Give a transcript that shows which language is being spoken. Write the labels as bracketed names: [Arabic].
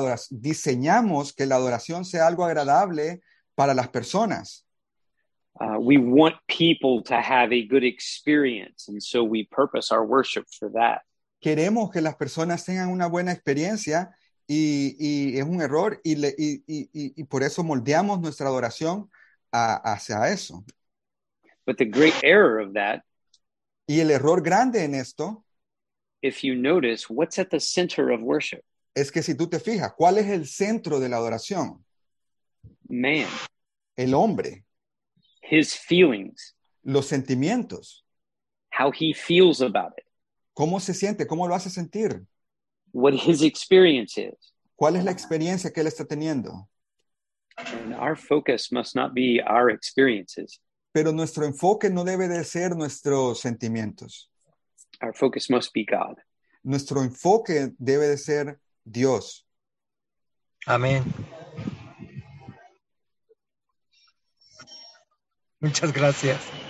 [Spanish] Diseñamos que la adoración sea algo agradable para las personas. [English] We want people to have a good experience, and so we purpose our worship for that. [Spanish] Queremos que las personas tengan una buena experiencia. Y es un error y por eso moldeamos nuestra adoración hacia eso. [English] But the great error of that, [Spanish] Y el error grande en esto [English] if you notice, what's at the center of worship? [Spanish] es que si tú te fijas, ¿cuál es el centro de la adoración? [English] Man. [Spanish] El hombre. [English] His feelings, [Spanish] Los sentimientos. [English] how he feels about it, [Spanish] ¿Cómo se siente? ¿Cómo lo hace sentir? [English] what his experience is. [Spanish] ¿Cuál es la experiencia que él está teniendo? [English] And our focus must not be our experiences. [Spanish] Pero nuestro enfoque no debe de ser nuestros sentimientos. [English] Our focus must be God. [Spanish] Nuestro enfoque debe de ser Dios. Amén. Muchas gracias.